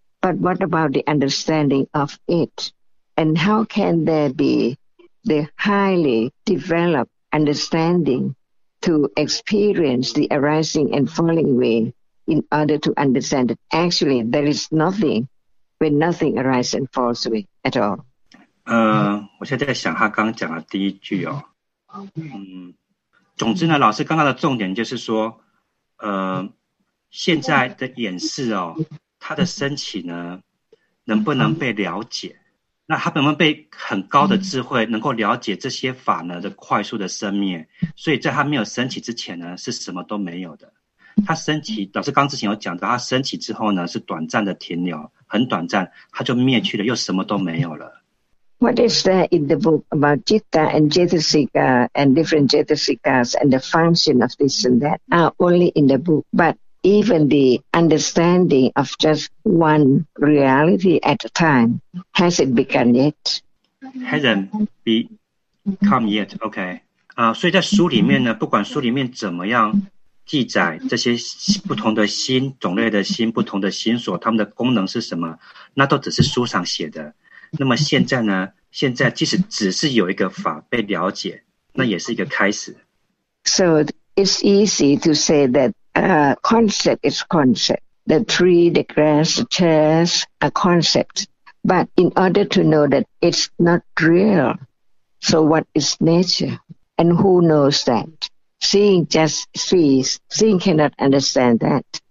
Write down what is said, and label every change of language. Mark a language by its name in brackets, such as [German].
[English] But what about the understanding of it? And how can there be the highly developed understanding to experience the arising and falling way in order to understand it? Actually, there is nothing when nothing arises and falls away at all. [Chinese] 我现在想他刚讲的第一句哦。总之呢，老师刚刚的重点就是说，现在的演示哦，它的升起呢，能不能被了解？那它能不能被很高的智慧能够了解这些法呢的快速的生灭？所以在它没有升起之前呢，是什么都没有的。它升起，老师刚之前有讲到，它升起之后呢，是短暂的停留，很短暂，它就灭去了，又什么都没有了。 [English] What is there in the book about citta and cetasika and different cetasikas and the function of this and that are only in the book. But even the understanding of just one reality at a time, has it begun yet? Hasn't become yet, okay. [Chinese] 所以在书里面呢，不管书里面怎么样记载这些不同的心、种类的心、不同的心所，它们的功能是什么，那都只是书上写的。那么现在呢，现在即使只是有一个法被了解，那也是一个开始。 [English] So it's easy to say that concept is concept. The tree, the grass, the chairs are concepts. But in order to know that it's not real, so what is nature? And who knows that? Seeing just sees, seeing cannot understand that.